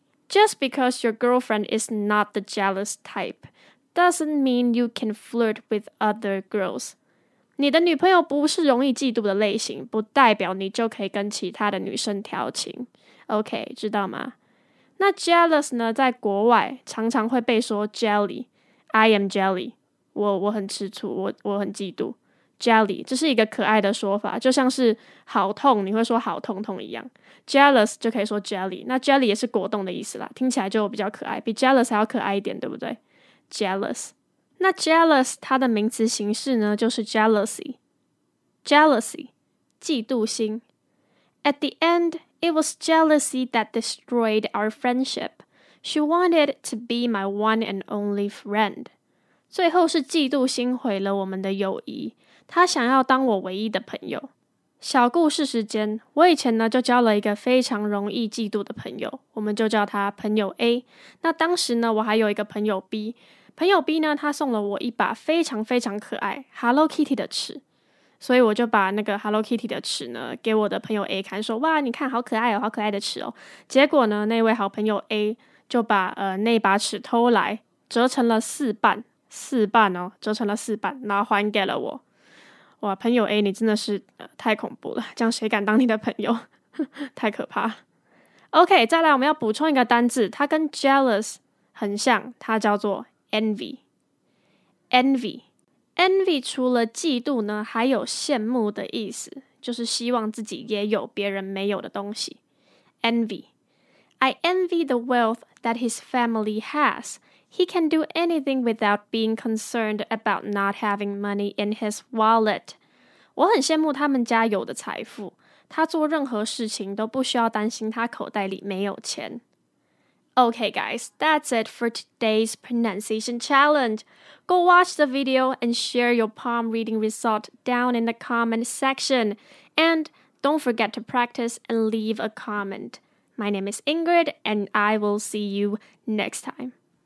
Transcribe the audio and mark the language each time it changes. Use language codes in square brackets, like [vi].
[en] Just because your girlfriend is not the jealous type doesn't mean you can flirt with other girls. [zh] 你的女朋友不是容易嫉妒的类型，不代表你就可以跟其他的女生调情。 OK， 知道吗？那 jealous 呢，在国外常常会被说 jelly， [en] I am jelly， [zh] 我很吃醋，我很嫉妒。 Jelly， 这是一个可爱的说法，就像是好痛，你会说好痛痛一样。 Jealous 就可以说 jelly， 那 jelly 也是果冻的意思啦，听起来就比较可爱，比 jealous 还要可爱一点，对不对？ Jealous， 那 jealous 它的名词形式呢，就是 jealousy， jealousy， 嫉妒心。 [en] At the end, it was jealousy that destroyed our friendship. She wanted to be my one and only friend. [zh] 最后是嫉妒心毁了我们的友谊。他想要当我唯一的朋友。小故事时间，我以前呢就交了一个非常容易嫉妒的朋友，我们就叫他朋友 A。那当时呢，我还有一个朋友 B， 朋友 B 呢，他送了我一把非常非常可爱 Hello Kitty 的尺，所以我就把那个 Hello Kitty 的尺呢给我的朋友 A 看，说哇你看好可爱哦，好可爱的尺哦。结果呢，那位好朋友 A 就把那把尺偷来折成了四半，四半哦，折成了四半，然后还给了我。哇，朋友 A， 你真的是太恐怖了，这样谁敢当你的朋友？太可怕。OK， 再来我们要补充一个单字，它跟 jealous 很像，它叫做 envy。envy。 envy 除了嫉妒呢，还有羡慕的意思，就是希望自己也有别人没有的东西。 envy。 [en] I envy the wealth that his family has. He can do anything without being concerned about not having money in his wallet. [zh] 我很羡慕他们家有的财富，他做任何事情都不需要担心他口袋里没有钱。 [en] Okay guys, that's it for today's pronunciation challenge. Go watch the video and share your palm reading result down in the comment section. And don't forget to practice and leave a comment. My name is Ingrid, and I will see you next time.